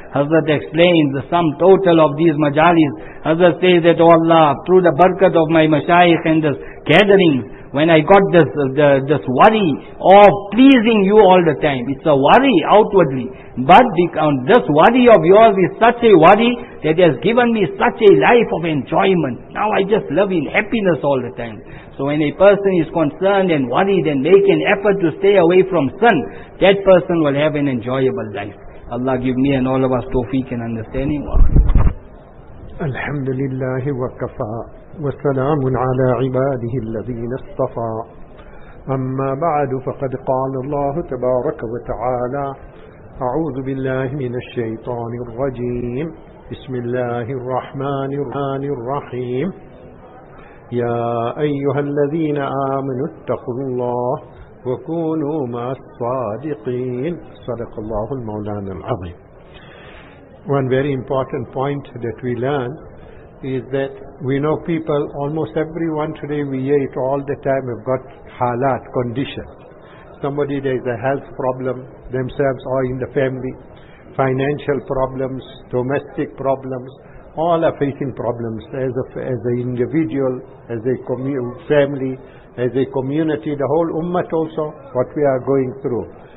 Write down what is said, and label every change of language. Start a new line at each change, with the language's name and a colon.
English: Hazrat explains the sum total of these majalis. Hazrat says that, oh Allah, through the barakat of my mashayikh and this gathering, when I got this worry of pleasing you all the time, it's a worry outwardly, but this worry of yours is such a worry that has given me such a life of enjoyment. Now I just live in happiness all the time. So when a person is concerned and worried and make an effort to stay away from sin, that person will have an enjoyable life. Allah give me and all of us tawfiq and understanding.
Arabic: Alhamdulillahi wa kafaa. والسلام على عباده الذين اصطفى. أما بعد فقد قال الله تبارك وتعالى أعوذ بالله من الشيطان الرجيم. بسم الله الرحمن الرحيم. يا أيها الذين آمنوا اتقوا الله وكونوا مع الصادقين. صدق الله المولانا العظيم.
English: One very important point that we learn is that we know people, almost everyone today, we hear it all the time, we've got halat, conditions. Somebody, there is a health problem, themselves or in the family, financial problems, domestic problems, all are facing problems as an individual, as a family, as a community, the whole ummah also, what we are going through.